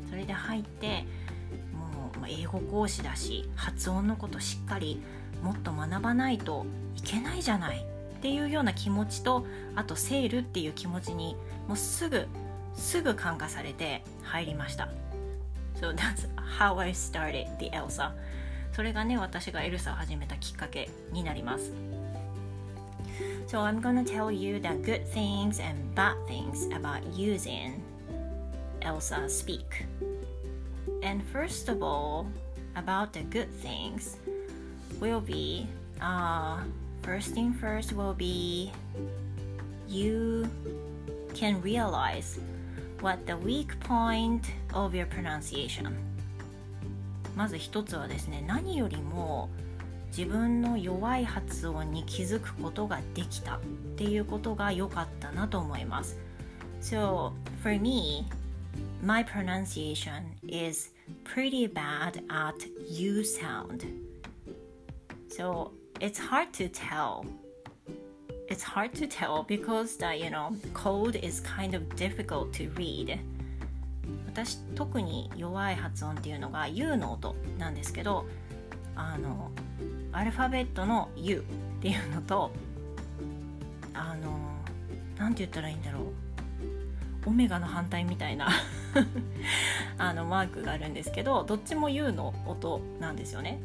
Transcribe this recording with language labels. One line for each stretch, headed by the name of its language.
Japanese: それで入って、英語講師だし発音のことしっかりもっと学ばないといけないじゃないっていうような気持ちと、あとセールっていう気持ちにもうすぐ感化されて入りました。
English: So that's how I started the ELSA.
Japanese: それがね、私がELSAを始めたきっかけになります。
English: So I'm gonna tell you the good things and bad things about using ELSA speakAnd first of all, about the good things, will be, first thing first will be, you can realize what the weak point of your pronunciation.
Japanese: まず一つはですね、何よりも自分の弱い発音に気づくことができたっていうことが良かったなと思います。
English: So for me, my pronunciation is pretty bad at U sound. So it's hard to tell. It's hard to tell because the, you know, code is kind of difficult to read.
Japanese: 私特に弱い発音っていうのが U の音なんですけど、あのアルファベットの U っていうのと、あのなんて言ったらいいんだろう、オメガの反対みたいなあのマークがあるんですけど、どっちも U の音なんですよね。